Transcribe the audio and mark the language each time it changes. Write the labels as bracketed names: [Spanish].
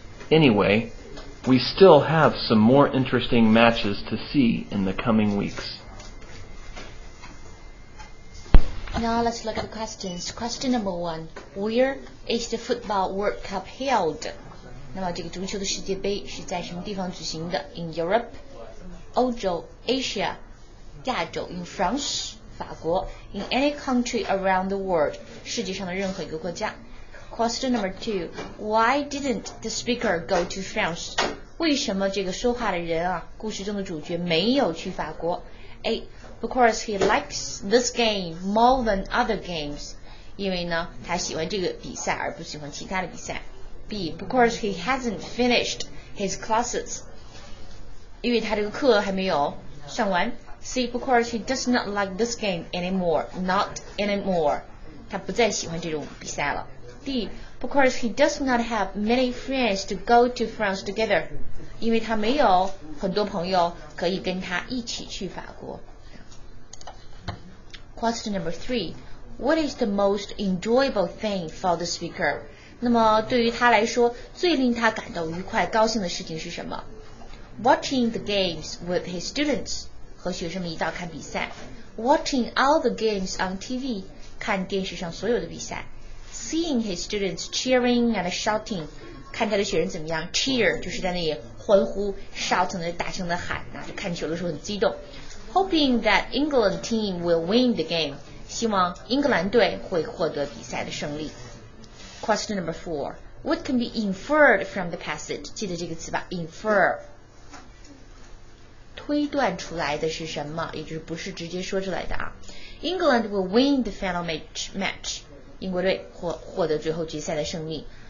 [English] Anyway, we still have some more interesting matches to see in the coming weeks. Now let's look at the questions. Question number one, where is the Football World Cup held? [Chinese] 那么这个足球的世界杯是在什么地方举行的？ [English] In Europe, [Chinese] 欧洲 [English] Asia, [Chinese] 亚洲 [English] In France, [Chinese] 法国 [English] In any country around the world, [Chinese] 世界上的任何一个国家。 [English] Question number two, why didn't the speaker go to France? [Chinese] 为什么这个说话的人啊，故事中的主角没有去法国？ [English] A, because he likes this game more than other games. [Chinese] 因为呢，他喜欢这个比赛而不喜欢其他的比赛。 [English] B, because he hasn't finished his classes. [Chinese] 因为他这个课还没有上完。 [English] C, because he does not like this game anymore. Not anymore. [Chinese] 他不再喜欢这种比赛了。 [English] D, because he does not have many friends to go to France together. [Chinese] 因为他没有很多朋友可以跟他一起去法国。 [English] Question number three, what is the most enjoyable thing for the speaker? [Chinese] 那么对于他来说，最令他感到愉快、高兴的事情是什么？ [English] Watching the games with his students, [Chinese] 和学生们一道看比赛。 [English] Watching all the games on TV, [Chinese] 看电视上所有的比赛。 [English] Seeing his students cheering and shouting, [Chinese] 看他的学生怎么样 ,cheer, 就是在那里欢呼 ,shout, 那大声的喊，看球的时候很激动。 [English] Hoping that England team will win the game, [Chinese] 希望英格兰队会获得比赛的胜利。 [English] Question number four, what can be inferred from the passage? [Chinese] 记得这个词吧 ,infer. 推断出来的是什么，也就是不是直接说出来的啊。 [English] England will win the final match. [Chinese] 英国队获得最后决赛的胜利。